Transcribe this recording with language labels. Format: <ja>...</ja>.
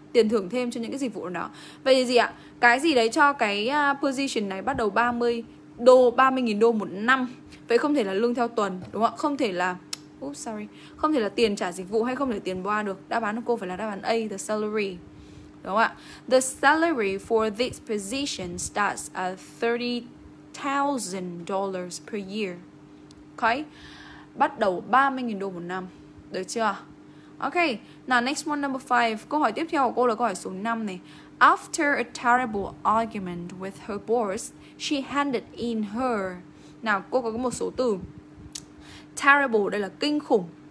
<vi>Tiền thưởng thêm cho những cái dịch vụ nào đó. Vậy thì gì ạ? Cái gì đấy cho cái position này bắt đầu 30.000 đô một năm. Vậy không thể là lương theo tuần, đúng không ạ? Không thể là không thể là tiền trả dịch vụ hay không thể tiền boa được. Đáp án của cô phải là đáp án A, the salary. Đúng không ạ?</vi> <en>The salary for this position starts at $30,000 per year.</en> <vi>Ok. Bắt đầu 30.000 đô một năm. Được chưa? Ok.</vi> <en>Now next one, number 5.</en> <vi>Câu hỏi tiếp theo của cô là câu hỏi số 5 này.</vi> <en>After a terrible argument with her boss, she handed in her.</en> <vi>Nào, cô có một số từ. Terrible đây là kinh khủng.</vi>